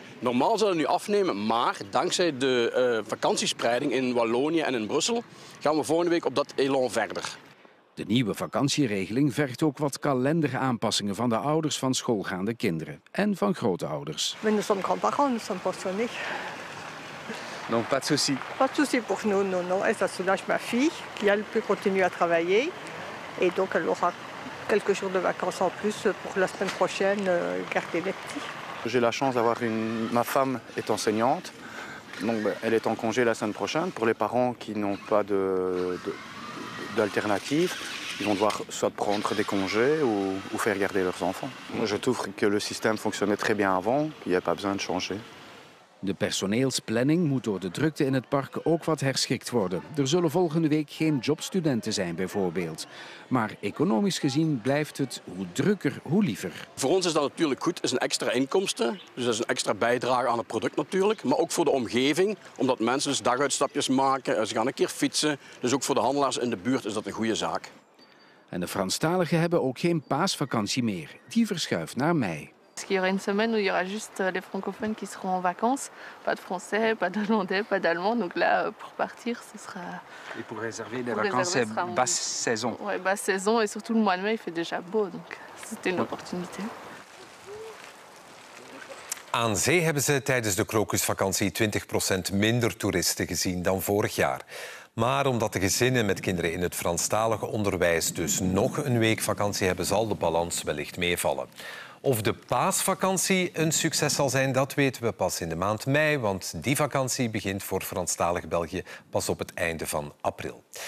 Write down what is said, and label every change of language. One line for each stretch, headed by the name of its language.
Dutch: Normaal zou dat nu afnemen, maar dankzij de vakantiespreiding in Wallonië en in Brussel gaan we volgende week op dat elan verder. De nieuwe vakantieregeling vergt ook wat kalenderaanpassingen van de ouders van schoolgaande kinderen en van grootouders. Als de zon kan pakken, dan past het niet.
French: Non, pas de souci. Pas de souci pour nous, non, non. Et ça soulage ma fille, qui elle peut continuer à travailler. Et donc elle aura quelques jours de vacances en plus pour la semaine prochaine, garder les petits. J'ai la chance d'avoir ma femme est enseignante. Donc elle est en congé la semaine prochaine. Pour les parents qui n'ont pas d'alternative, ils vont devoir soit prendre des congés ou faire garder leurs enfants. Moi, je trouve que le système fonctionnait très bien avant, qu'il n'y a pas besoin de changer.
Dutch: De personeelsplanning moet door de drukte in het park ook wat herschikt worden. Er zullen volgende week geen jobstudenten zijn, bijvoorbeeld. Maar economisch gezien blijft het hoe drukker, hoe liever. Voor ons is dat natuurlijk goed. Het is een extra inkomsten. Dus dat is een extra bijdrage aan het product natuurlijk. Maar ook voor de omgeving, omdat mensen dus daguitstapjes maken. Ze gaan een keer fietsen. Dus ook voor de handelaars in de buurt is dat een goede zaak. En de Franstaligen hebben ook geen paasvakantie meer. Die verschuift naar mei.
French: Parce qu'il y aura une semaine où il y aura juste les francophones qui seront en vacances. Pas de français, pas d'hollandais, pas d'allemand. Donc là, pour partir, ce sera... Et pour réserver les vacances, c'est basse saison. Oui, basse saison. Et surtout, le mois de mai, il fait déjà beau. Donc c'était une opportunité.
Dutch: Aan zee hebben ze tijdens de krokusvakantie 20% minder toeristen gezien dan vorig jaar. Maar omdat de gezinnen met kinderen in het Franstalige onderwijs dus nog een week vakantie hebben, zal de balans wellicht meevallen. Of de paasvakantie een succes zal zijn, dat weten we pas in de maand mei, want die vakantie begint voor Franstalig België pas op het einde van april.